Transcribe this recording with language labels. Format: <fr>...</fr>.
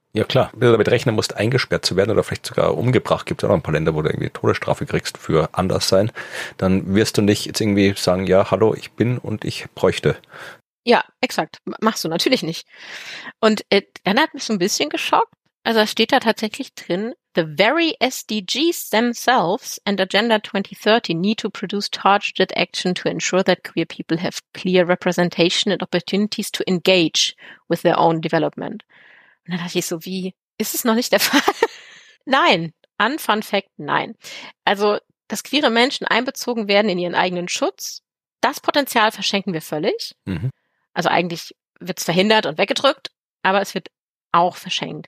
<de>Ja klar, wenn du damit rechnen musst, eingesperrt zu werden oder vielleicht sogar umgebracht, gibt es auch noch ein paar Länder, wo du irgendwie Todesstrafe kriegst für anders sein, dann wirst du nicht jetzt irgendwie sagen, ja, hallo, ich bin und ich bräuchte. Ja, exakt, machst du natürlich nicht. Und dann hat mich so ein bisschen geschockt. Also es steht da tatsächlich drin,</de> <en>the very SDGs themselves and Agenda 2030 need to produce targeted action to ensure that queer people have clear representation and opportunities to engage with their own development.</en> <de>Und dann dachte ich so, wie, ist es noch nicht der Fall? Nein, an Fun Fact, nein. Also, dass queere Menschen einbezogen werden in ihren eigenen Schutz, das Potenzial verschenken wir völlig. Mhm. Also eigentlich wird es verhindert und weggedrückt, aber es wird auch verschenkt.</de>